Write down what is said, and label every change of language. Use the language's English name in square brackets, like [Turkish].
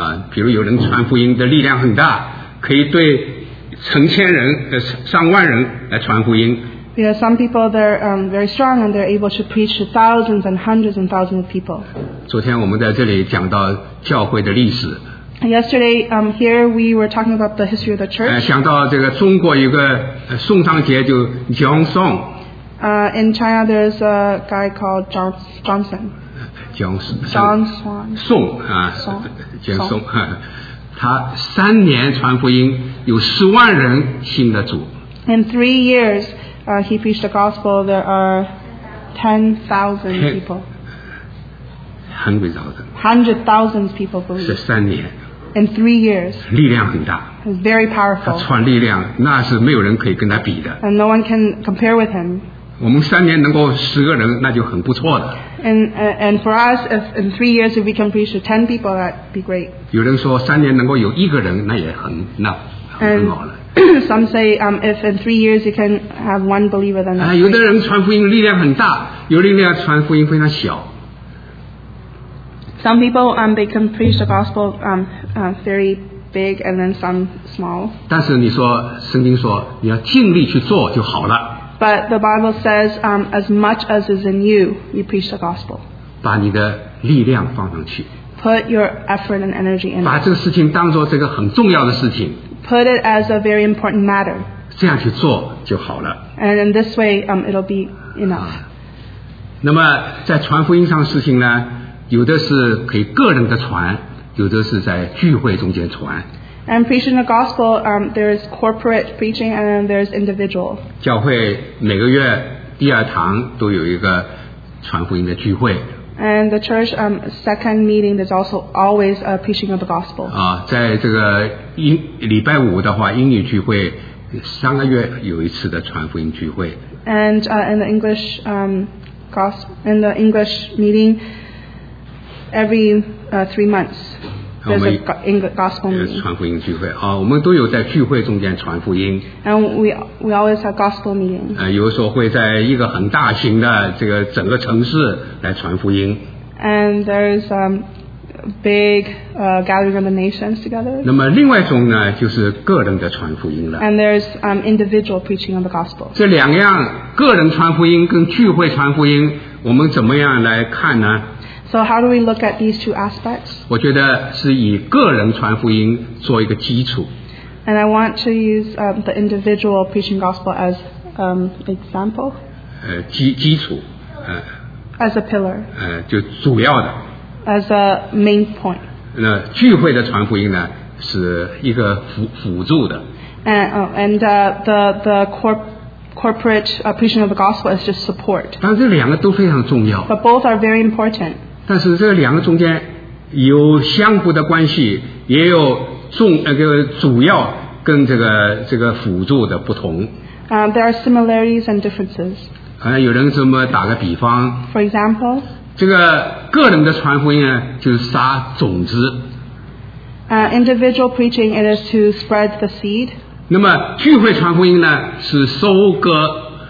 [Chinese] 比如有人传福音的力量很大，可以对成千人、上万人来传福音。 [English] Because some people they're very strong and they're able to preach to thousands and hundreds and thousands of people. [Chinese] 昨天我们在这里讲到教会的历史。 [English] Yesterday, here we were talking about the history of the church. [Chinese] 想到这个中国有个宋尚杰就 John Song. [English] In China, there's a guy called John Johnson. John Swan. [Chinese] 宋啊，江宋，他三年传福音，有十万人信了主。 [English] In 3 years, he preached the gospel. There are 10,000 people. Hundred thousands people believe. [Chinese] 是三年。 [English] In 3 years, [Chinese] 力量很大。 [English] It's very powerful. [Chinese] 他传力量，那是没有人可以跟他比的。 [English] And no one can compare with him. [Chinese] 我们三年能够十个人，那就很不错了。 [English] And for us, if in 3 years if we can preach to 10 people, that'd be great. [Chinese] 有人说三年能够有一个人，那也很那很好了。 [English] And some say if in 3 years you can have one believer, then that's great. [Chinese] 有的人传福音力量很大，有力量传福音非常小。 [English] Some people they can preach the gospel very big and then some small. [Chinese] 但是你说圣经说你要尽力去做就好了。 [English] But the Bible says as much as is in you, you preach the gospel. [Chinese] 把你的力量放上去。 [English] Put your effort and energy in. [Chinese] 把这个事情当作这个很重要的事情。 [English] Put it as a very important matter. [Chinese] 这样去做就好了。 [English] And in this way, it'll be enough. [Chinese] 那么在传福音上的事情呢？有的是可以个人的传，有的是在聚会中间传。 [English] And preaching the gospel, there is corporate preaching and there is individual. [Chinese] 教会每个月第二堂都有一个传福音的聚会。 [English] And the church, second meeting, there's also always a preaching of the gospel. [Chinese] 在这个礼拜五的话，英语聚会三个月有一次的传福音聚会。 [English] And in the English gospel, in the English meeting. Every 3 months, there's a gospel meeting. [Chinese] 我们都有在聚会中间传福音。 [English] And we always have gospel meetings. [Chinese] 有时候会在一个很大型的这个整个城市来传福音。 [English] And there's big gathering of the nations together. [Chinese] 那么另外一种呢，就是个人的传福音了。 [English] And there's individual preaching of the gospel. [Chinese] 这两样，个人传福音跟聚会传福音，我们怎么样来看呢？ [English] So how do we look at these two aspects? [Chinese] 我觉得是以个人传福音做一个基础。 [English] And I want to use the individual preaching gospel as example. [Chinese] 基础。 [English] As a pillar. [Chinese] 就主要的。 [English] As a main point. [Chinese] 那聚会的传福音呢？是一个辅助的 [English] and the corporate preaching of the gospel is just support. [Chinese] 但这两个都非常重要。 [English] But both are very important. [Chinese] 但是这两个中间有相互的关系，也有主要跟这个辅助的不同。 [English] There are similarities and differences. [Chinese] 有人这么打个比方。 [English] For example. [Chinese] 这个个人的传福音呢，就是撒种子。 [English] Individual preaching, it is to spread the seed. [Chinese] 那么聚会传福音呢，是收割。